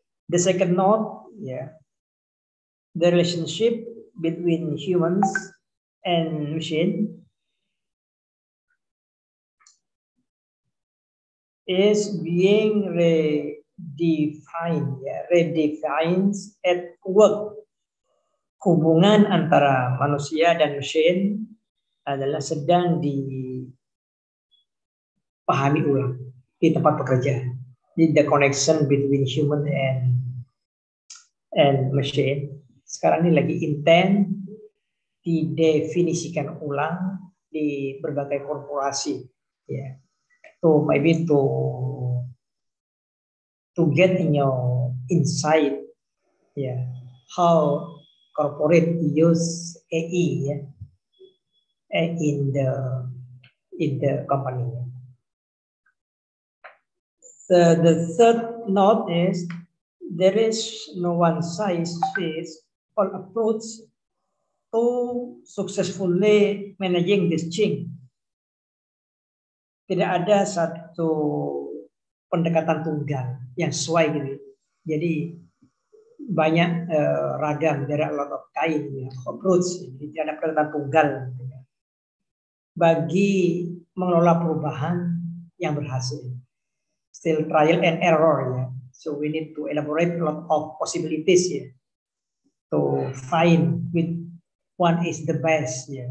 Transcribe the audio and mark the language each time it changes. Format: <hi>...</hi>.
<en>The second note, the relationship between humans and machine is being redefined, redefines at work.</en> <id>Hubungan antara manusia dan mesin adalah sedang dipahami ulang di tempat pekerja.</id> <en>The connection between human and machine</en> <id>sekarang ini lagi intens didefinisikan ulang di berbagai korporasi.</id> <en>So maybe to get in your insight, how corporate use AI in the company. The third note is there is no one size fits all approach to successfully managing this thing.</en> <id>Tidak ada satu pendekatan tunggal yang sesuai gitu. Jadi banyak ragam,</id> <en>there are a lot of kind approach.</en> <id>Jadi tidak ada pendekatan tunggal bagi mengelola perubahan yang berhasil.</id> <en>Still trial and error, so we need to elaborate a lot of possibilities to find which one is the best,</en>